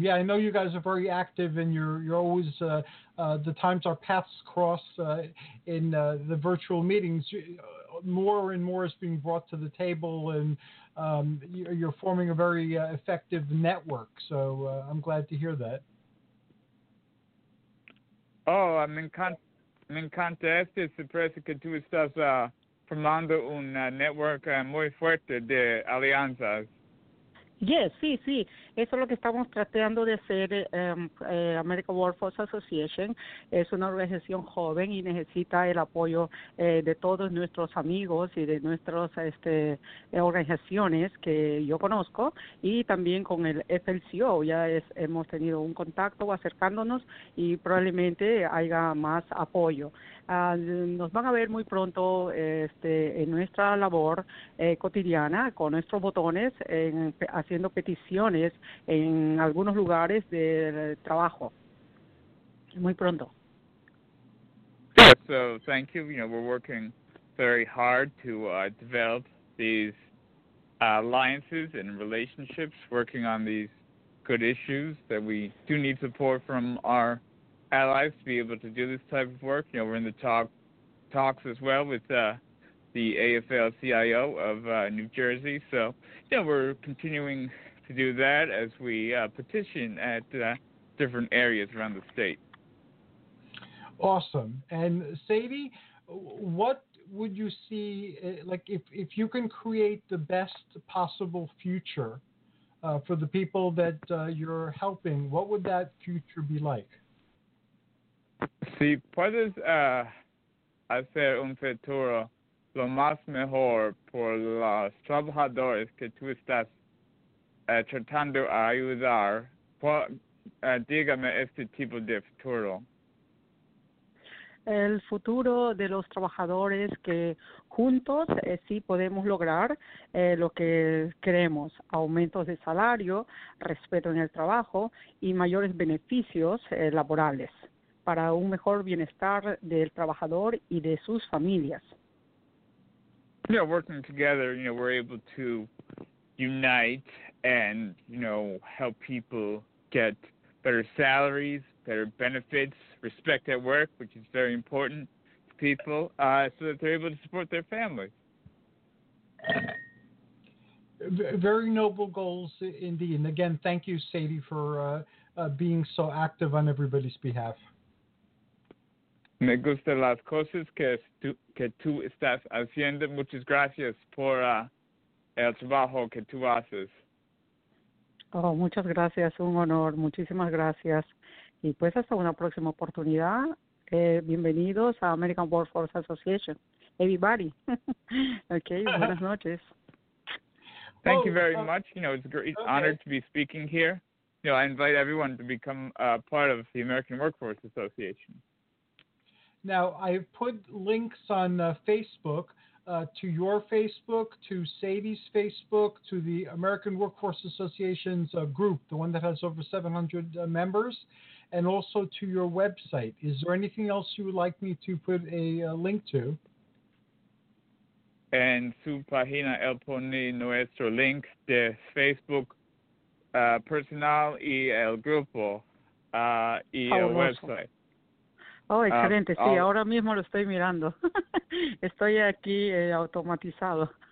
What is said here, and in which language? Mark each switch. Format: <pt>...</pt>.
<en>Yeah, I know you guys are very active and you're always the times our paths cross in the virtual meetings, more and more is being brought to the table, and you're forming a very effective network. So I'm glad to hear that.</en> <es>Oh, me encanta. Este es el precio que tú estás formando un network muy fuerte de alianzas.</es> <en>Yes,</en> <es>sí, sí. Eso es lo que estamos tratando de hacer. American Workforce Association es una organización joven y necesita el apoyo de todos nuestros amigos y de nuestras organizaciones que yo conozco, y también con el FLCO. Ya hemos tenido un contacto acercándonos y probablemente haya más apoyo. Nos van a ver muy pronto en nuestra labor cotidiana con nuestros botones haciendo peticiones en algunos lugares de trabajo. Muy pronto.</es> <en>Yeah, so thank you. You know, we're working very hard to develop these alliances and relationships, working on these good issues that we do need support from our allies to be able to do this type of work. You know, we're in the talks as well with the AFL-CIO of New Jersey. So, you know, we're continuing to do that as we petition at different areas around the state. Awesome. And Sadie, what would you see, like, if you can create the best possible future for the people that you're helping, what would that future be like?</en> <es>Si puedes hacer un futuro lo más mejor por los trabajadores que tú estás tratando de ayudar, dígame este tipo de futuro. El futuro de los trabajadores que juntos sí podemos lograr lo que queremos: aumentos de salario, respeto en el trabajo y mayores beneficios laborales para un mejor bienestar del trabajador y de sus familias.</es> <en>Yeah, you know, working together, you know, we're able to unite and, you know, help people get better salaries, better benefits, respect at work, which is very important to people, so that they're able to support their families. Very noble goals indeed. And again, thank you, Sadie, for being so active on everybody's behalf.</en> <es>Me gustan las cosas que tú estás haciendo. Muchas gracias por el trabajo que tú haces. Oh, muchas gracias. Un honor. Muchísimas gracias. Y pues hasta una próxima oportunidad. Bienvenidos a American Workforce Association.</es> <en>Everybody.</en> <es>Okay, buenas noches.</es> <en>Thank you very much. You know, it's a great honor to be speaking here. You know, I invite everyone to become a part of the American Workforce Association. Now, I've put links on Facebook to your Facebook, to Sadie's Facebook, to the American Workforce Association's group, the one that has over 700 members, and also to your website. Is there anything else you would like me to put a link to?</en> <es>En su página, él pone nuestro link de Facebook personal y el grupo y el website. Oh, excelente. Sí, ahora mismo lo estoy mirando. Estoy aquí automatizado.</es>